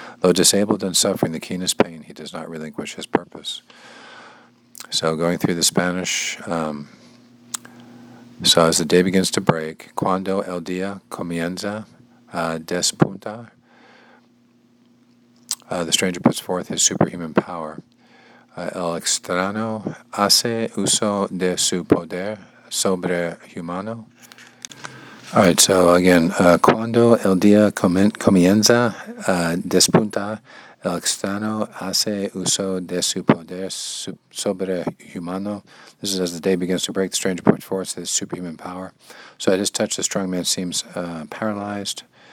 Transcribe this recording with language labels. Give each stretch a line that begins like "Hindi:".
English: Though disabled and suffering the keenest pain, he does not relinquish his purpose. So going through the Spanish, so as the day begins to break,
Spanish: cuando el día comienza a despuntar,
English: the stranger puts forth his superhuman power.
Spanish: El extraño hace uso de su poder sobrehumano.
English: All right, so again,
Spanish: cuando el día comienza a despuntar, el extraño hace uso de su poder sobrehumano.
English: This is as the day begins to break, the stranger puts forth his superhuman power. So at his touch, the strong man seems paralyzed.